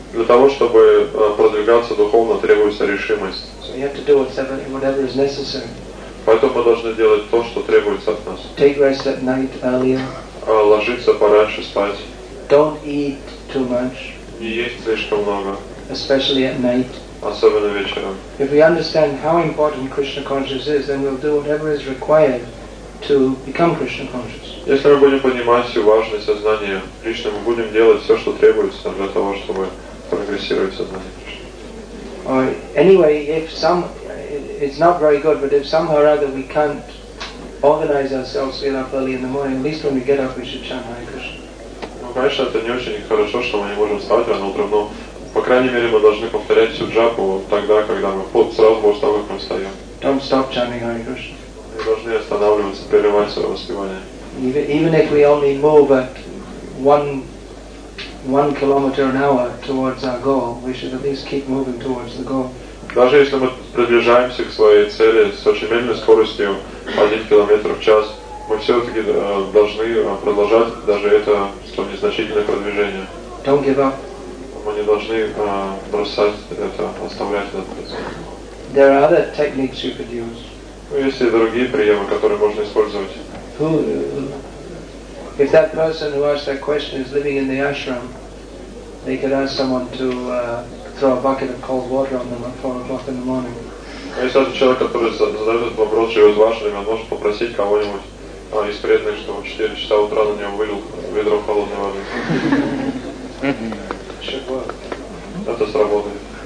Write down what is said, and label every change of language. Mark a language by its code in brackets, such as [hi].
[ru] Для того, чтобы продвигаться духовно, требуется решимость. [en] So you have to do whatever is necessary. [ru] Поэтому мы должны делать то, что требуется от нас. [en] Take rest at night earlier. [ru] Ложиться пораньше спать. [en] Don't eat too much. [ru] Не есть слишком много. [en] Especially at night. [ru] Особенно вечером. [en] If we understand how important Krishna consciousness is, then we'll do whatever is required to become Krishna conscious. [ru] Если мы будем понимать всю важность сознания Кришны, мы будем делать все, что требуется для того, чтобы прогрессировать сознание Кришны. [en] Anyway, it's not very good, but if somehow or other we can't organize ourselves to get up early in the morning, at least when we get up, we should chant Hare Krishna. [ru] Ну, конечно, это не очень хорошо, что мы не можем вставать рано утром, но по крайней мере мы должны повторять всю джапу тогда, когда мы сразу после того, как мы встаем. [en] Don't stop chanting Hare Krishna. [ru] Мы должны останавливаться, прерывать свое воспевание. [en] Even if we only move at one kilometer an hour towards our goal, we should at least keep moving towards the goal. [ru] Даже если мы приближаемся к своей цели с очень медленной скоростью 1 км/ч, мы все-таки должны продолжать даже это, что незначительное продвижение. [en] Don't give up. [ru] мы не должны бросать это, оставлять этот принцип. [en] There are other techniques you could use. [ru] Есть и другие приемы, которые можно использовать. [en] Who, if that person who asked that question is living in the ashram, they could ask someone to throw a bucket of cold water on them at 4 o'clock in the morning. [ru] Если этот человек, который задает этот вопрос, живет в ашраме, он может попросить кого-нибудь из преданных, чтобы в 4 часа утра на него вылил ведро холодной воды. Это сработает.